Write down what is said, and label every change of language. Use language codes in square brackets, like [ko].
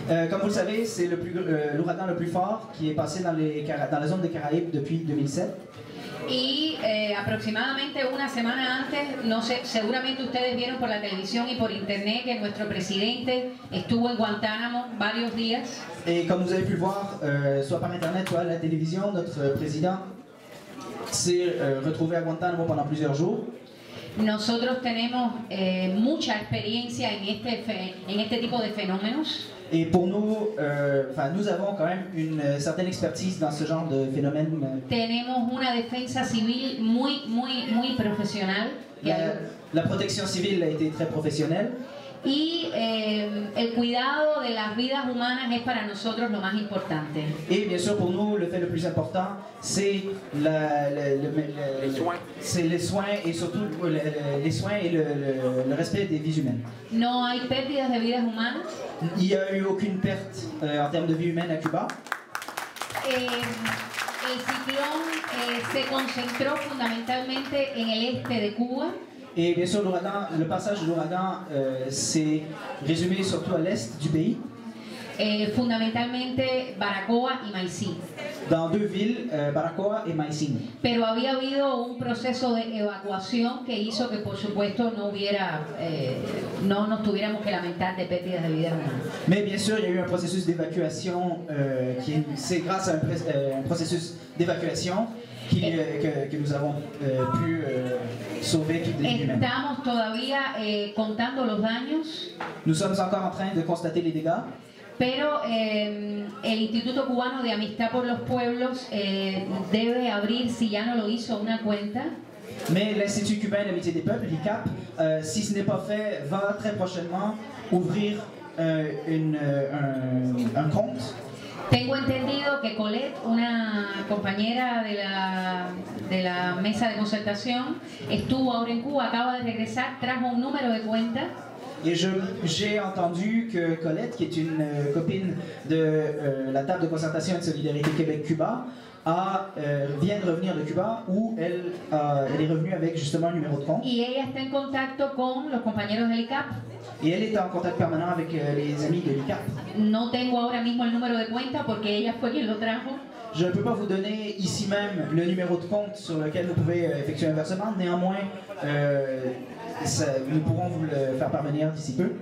[fr] Comme vous le savez, c'est l'ouragan le plus fort qui est passé dans la zone des Caraïbes depuis 2007. [es] Y aproximadamente una semana antes, no sé, seguramente ustedes vieron por la televisión y por internet que nuestro presidente estuvo en Guantánamo varios días. Y como [fr] vous avez pu voir, soit par internet, soit la télévision, notre président s'est retrouvé à Guantánamo pendant plusieurs jours. [es] Nosotros tenemos mucha experiencia en este tipo de fenómenos. [fr] Et pour nous, nous avons quand même une certaine expertise dans ce genre de phénomène. [es] Tenemos una defensa civil muy muy muy profesional. [fr] La protection civile a été très professionnelle. [es] Y el cuidado de las vidas humanas es para nosotros lo más importante. [fr] Et bien sûr, pour nous, le fait le plus important, c'est les soins et le respect des vies humaines. [es] No hay pérdidas de vidas humanas. [fr] Il n'y a eu aucune perte en termes de vie humaine à Cuba. [es] El ciclón se concentró fundamentalmente en el este de Cuba. [fr] Et bien sûr, le passage de l'ouragan s'est résumé surtout à l'est du pays. [es] Fundamentalmente, Baracoa y Maicín. [fr] Dans deux villes, Baracoa et Maicín. [es] Pero había habido un proceso de evacuación que hizo que, por supuesto, no hubiera, no nos tuviéramos que lamentar de pérdidas de vida humana. [fr] Mais bien sûr, il y a eu un processus d'évacuation qui, c'est grâce à un processus d'évacuation. Que nous avons pu sauver toutes les vies humaines. [es] Estamos todavía contando los daños. [fr] Nous sommes encore en train de constater les dégâts. [es] Pero el Instituto Cubano de Amistad por los Pueblos debe abrir, si ya no lo hizo, una cuenta. [fr] Mais l'Institut Cubain d'Amitié des Peuples, l'ICAP, si ce n'est pas fait, va très prochainement ouvrir un compte. [es] Tengo entendido que Colette, una compañera de la mesa de concertación, estuvo ahora en Cuba, acaba de regresar, trajo un número de cuenta. [fr] Et j'ai entendu que Colette, qui est une copine de la table de concertation et de solidarité Québec-Cuba, vient de revenir de Cuba, où elle est revenue avec justement un numéro de compte. [es] Y ella está en contacto con los compañeros del ICAP. [fr] Et elle est en contact permanent avec les amis de l'ICAP. [es] No tengo ahora mismo el número de cuenta porque ella fue quien lo trajo. [fr] Je ne peux pas vous donner ici même le numéro de compte sur lequel vous pouvez effectuer un versement. Néanmoins, nous pourrons vous le faire parvenir d'ici peu.